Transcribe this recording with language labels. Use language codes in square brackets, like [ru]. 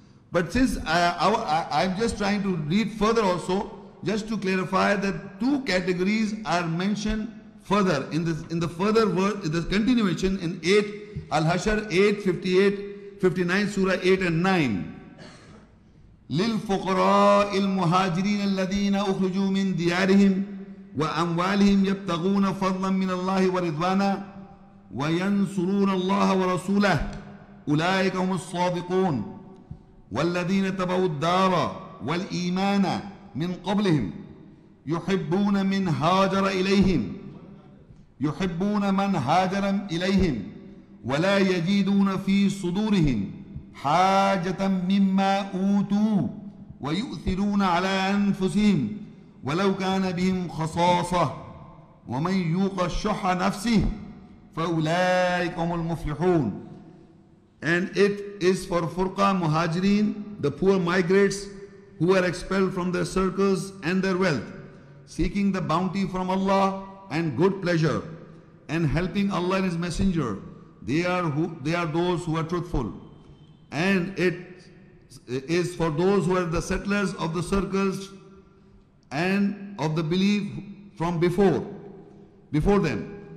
[en] But since I'm just trying to read further also, just to clarify that two categories are mentioned further in the continuation in 8 Al-Hashr 8 58 59 Surah 8 and 9. [ar] للفقراء المهاجرين الذين أخرجوا من ديارهم وأموالهم يبتغون فضلا من الله ورضوانا وينصرون الله ورسوله أولئك هم الصادقون والذين تبوا الدار والإيمان من قبلهم يحبون من هاجر إليهم يحبون من هاجر إليهم ولا يجدون في صدورهم حاجة مما أوتوا ويؤثرون على أنفسهم ولو كان بهم خصاصة ومن يوق شح نفسه فأولئك هم المفلحون. [en] And it is for Furqa Muhajirin, the poor migrants who are expelled from their circles and their wealth, seeking the bounty from Allah and good pleasure, and helping Allah and His Messenger. They are those who are truthful. And it is for those who are the settlers of the circles and of the belief from before them.